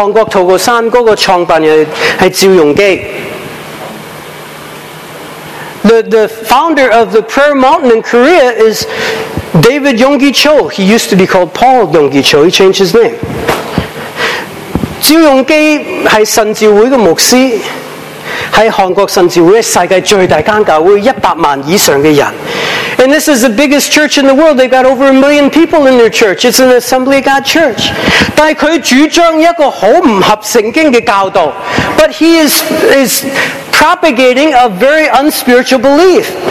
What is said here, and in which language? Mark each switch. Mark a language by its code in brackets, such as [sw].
[zh] 但还有一样东西，祷告山，韩国祷告山那个创办人是赵荣基。 [en] The founder of the prayer mountain in Korea is David Yonggi Cho. He used to be called Paul Yonggi Cho. He changed his name. [zh] 赵荣基是神召会的牧师，是韩国神召会世界最大间教会，100万以上的人。 [en] And this is the biggest church in the world. They've got over 1 million people in their church. It's an Assembly of God church. [zh] 但是他主张一个很不合圣经的教导。 [en] But he is propagating a very unspiritual belief.